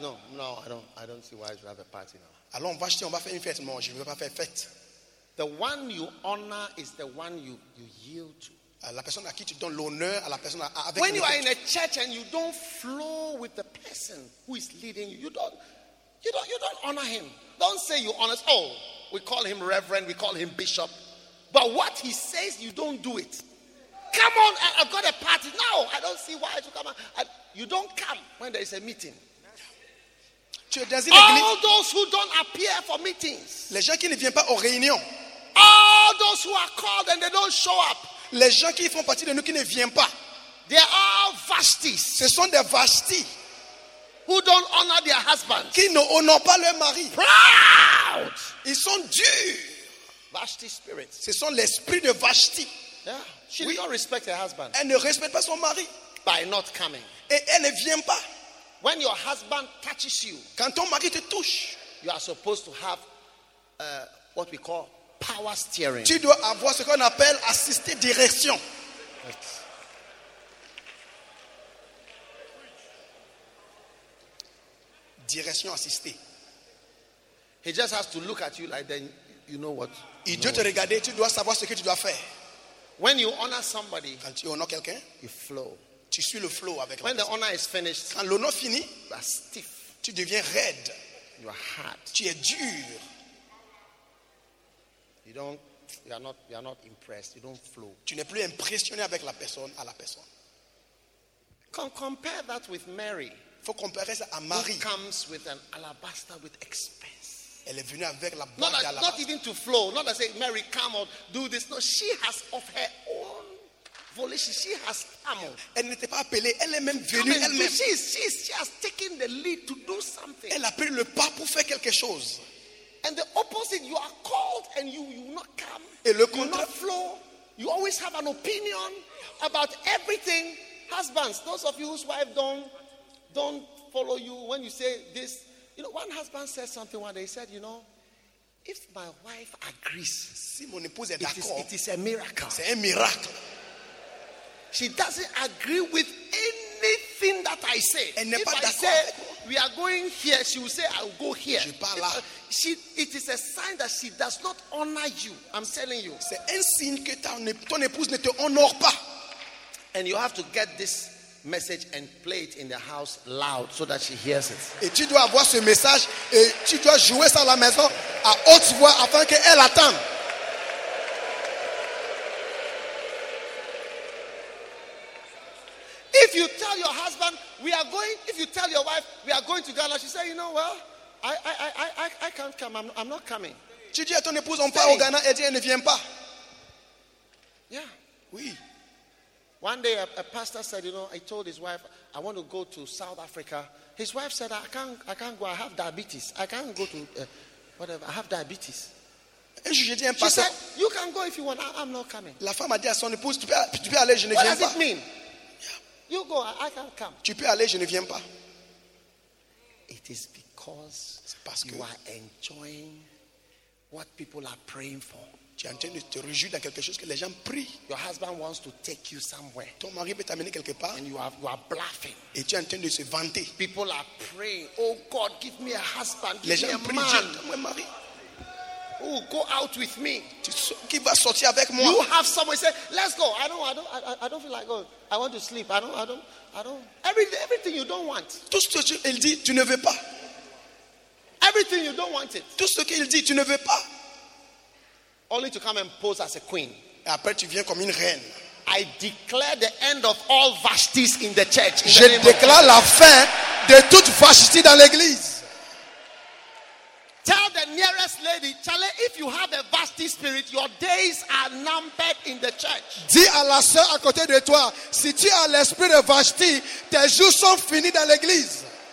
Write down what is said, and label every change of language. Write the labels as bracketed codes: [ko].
[en] No, no, I don't see why I should have a party now. [fr] Allons, Vashti, on va faire une fête. Non, je ne veux pas faire fête. [en] The one you honor is the one you yield to. [fr] la personne à qui tu donnes l'honneur, à la personne à, avec [en] when you are in a church and you don't flow with the person who is leading you, you don't honor him. Don't say you honor. Oh, we call him reverend, we call him bishop. But what he says, you don't do it. Come on, I've got a party. No, I don't see why to come. You don't come when there is a meeting. All those who don't appear for meetings. [fr] Les gens qui ne viennent pas aux réunions. [en] All those who are called and they don't show up. [fr] Les gens qui font partie de nous qui ne viennent pas. [en] They are vastis. [fr] Ce sont des vastis. [en] Who don't honor their husbands. [fr] Qui ne honorent pas leur mari. [en] Proud. [fr] Ils sont durs. [en] Vasti spirit. [fr] Ce sont l'esprit de vasti. [en] Yeah. She oui. Don't respect her husband. [fr] Elle ne respecte pas son mari. [en] By not coming. [fr] Et elle ne vient pas. [en] When your husband touches you, [fr] quand ton mari te touche, [en] you are supposed to have what we call power steering. [fr] Tu dois avoir ce qu'on appelle assisté direction. Direction assistée. [en] He just has to look at you like then you know what. [fr] Il doit te regarder, tu dois savoir ce que tu dois faire. [en] When you honor somebody, [fr] quand tu honores quelqu'un, [en] you flow. [fr] Tu suis le flow avec [en] when the honor is finished, [fr] quand l'honneur finit, [en] you are stiff. [fr] Tu deviens raide. [en] You are hard. [fr] Tu es dur. [en] You don't. You are not impressed. You don't flow. [fr] Tu n'es plus impressionné avec la personne à la personne. [en] Compare that with Mary. [fr] Faut comparer ça à Marie. [en] Who comes with an alabaster with expense. [fr] Elle est venue avec la bague d'alabaster. [en] Not even to flow. Not to say Mary come or do this. No, she has of her own. She has come. [fr] Elle n'était pas appelée. Elle est même venue. Elle-même. [en] She has taken the lead to do something. [fr] Elle a pris le pas pour faire quelque chose. [en] And the opposite, you are called and you will not come. [fr] Et le [en] you will not flow. You always have an opinion about everything. Husbands, those of you whose wives don't follow you when you say this. You know, one husband said something one day. He said, you know, if my wife agrees, [fr] si mon épouse est d'accord, [en] it is a miracle. [fr] C'est un miracle. [en] She doesn't agree with anything that I say. [fr] Elle n'est [en] if [fr] pas [en] I [fr] d'accord. [en] Say we are going here, she will say I'll go here. [fr] Je pars là. [en] It is a sign that she does not honor you. I'm telling you. [fr] C'est un signe que ton épouse ne te honore pas. [en] And you have to get this message and play it in the house loud so that she hears it. [fr] Et tu dois avoir ce message et tu dois jouer ça à la maison à haute voix afin qu'elle attende. [en] If you tell your husband we are going, if you tell your wife we are going to Ghana, she say, you know, well, I can't come, I'm not coming. [fr] Tu dis à ton épouse on part au Ghana, elle dit elle ne vient pas. [en] Yeah. [fr] Oui. [en] One day a pastor said, you know, I told his wife I want to go to South Africa. His wife said, I can't go. I have diabetes. I can't go to whatever. I have diabetes. [fr] Je dis, [en] she said, you can go if you want. I'm not coming. [fr] La femme a dit à son épouse, tu peux aller, je ne viens pas. [en] What does it mean? You go, I can't come. [fr] Tu peux aller, je ne viens pas. [en] It is because you are enjoying what people are praying for. [fr] Tu es en train de te réjouir dans quelque chose que les gens prient. [en] Your husband wants to take you somewhere. [fr] Ton mari veut t'amener quelque part. [en] And you are bluffing. [fr] Et tu es en train de se vanter. [en] People are praying, oh God, give me a husband. [fr] Les gens prient, Dieu, donne-moi un mari. [en] Oh, go out with me. [fr] Qui va sortir avec moi? [en] You have someone say, let's go. I don't feel like going. I want to sleep. I don't. Everything you don't want. [fr] Tout ce qu'il dit, tu ne veux pas. [en] Everything you don't want it. [fr] Tout ce qu'il dit, tu ne veux pas. [en] Only to come and pose as a queen. [fr] Et après, tu viens comme une reine. [en] I declare the end of all vastis in the church. [fr] Je déclare la fin de toute vastis dans l'église. [en] Tell the nearest lady, Charlie, if you have a vasty spirit, your days are numbered in the church. [fr] Dis à la sœur à côté de toi, si tu as l'esprit de vasty, tes jours sont finis dans l'église.